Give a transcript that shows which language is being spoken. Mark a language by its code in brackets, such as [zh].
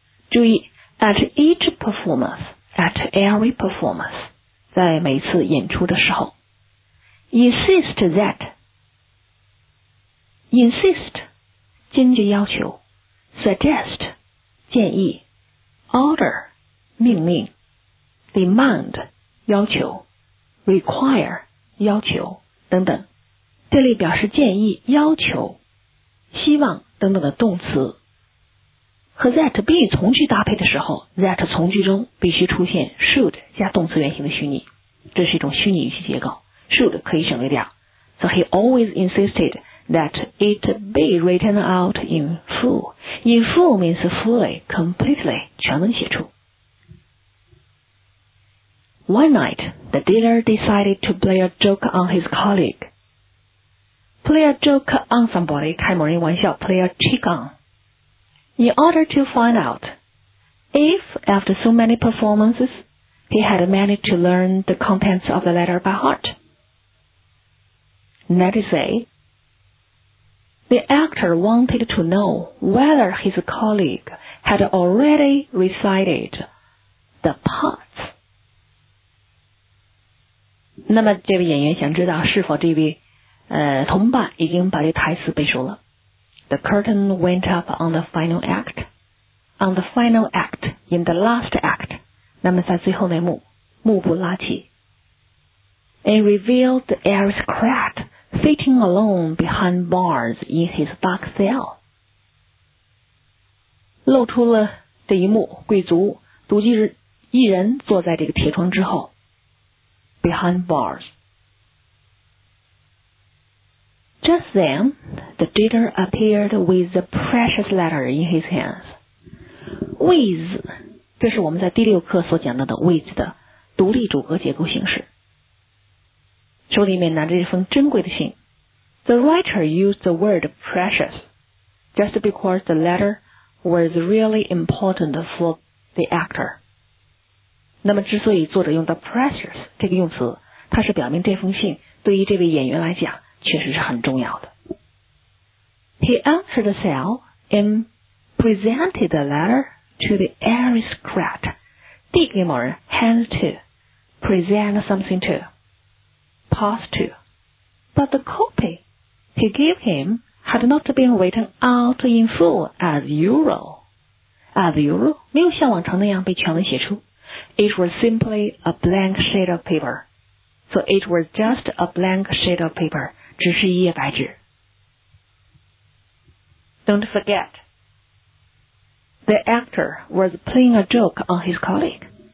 [zh] 注意 [en] at each performance， at every performance， [zh] 在每次演出的时候， insist thatinsist 坚决要求 suggest 建议 order 命令 demand 要求 require 要求等等，这里表示建议要求希望等等的动词和 that be 从句搭配的时候， that 从句中必须出现 should 加动词原形的虚拟，这是一种虚拟语气结构， should 可以省略掉。 [en] So he always insistedthat it be written out in full. full. In full means fully, completely, [zh] 全能写出。 [en] One night, the dealer decided to play a joke on his colleague. Play a joke on somebody, [zh] 开某人玩笑 [en] play a trick on. In order to find out if, after so many performances, he had managed to learn the contents of the letter by heart. That is it. The actor wanted to know whether his colleague had already recited the parts. [zh] 那么这位演员想知道是否这位同伴已经把这台词背熟了。 [en] The curtain went up on the final act. On the final act, in the last act. [zh] 那么在最后那幕幕布拉起。 [en] It revealed the aristocrat sitting alone behind bars in his dark cell. [zh] 露出了这一幕贵族独居一人坐在这个铁窗之后。 [en] Behind bars. Just then, the dealer appeared with the precious letter in his hands. [zh] With, 这是我们在第六课所讲到的 with 的独立主格结构形式。手里面拿着一封珍贵的信。 [en] The writer used the word precious just because the letter was really important for the actor. [zh] 那么之所以作者用到 precious 这个用词，它是表明这封信对于这位演员来讲确实是很重要的。 [en] He answered the cell and presented the letter to the aristocrat. [zh] 递给某人 hand to, [en] present something to, pass to. But the copy he gave him had not been written out in full as usual. As usual, [zh] 没有像往常那样被全文写出。 [en] It was simply a blank sheet of paper. So it was just a blank sheet of paper. [zh] 只是一页白纸。 [en] Don't forget, the actor was playing a joke on his colleague.